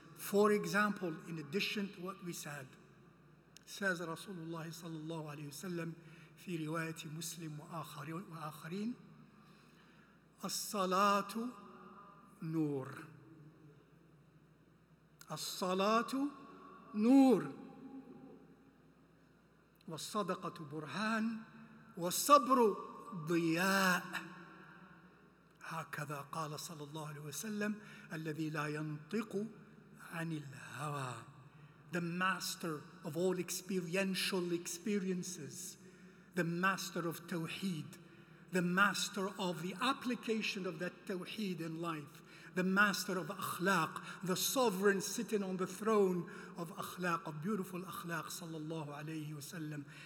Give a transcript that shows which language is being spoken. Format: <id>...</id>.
<en>For example, in addition to what we said, says Rasulullah sallallahu alayhi wasallam</en> <ar>fi riwayat Muslim wa akharin, as-salatu nur. As-salatu nur. Was-sadaqatu burhan, was-sabru ضياء. هكذا قال صلى الله عليه وسلم الذي لا ينطق عن الهوى.</ar> <en>The master of all experiential experiences, the master of tawheed, the master of the application of that tawheed in life, the master of akhlaq, the sovereign sitting on the throne of akhlaq, of beautiful akhlaq, sallallahu alayhi wasallam,</en>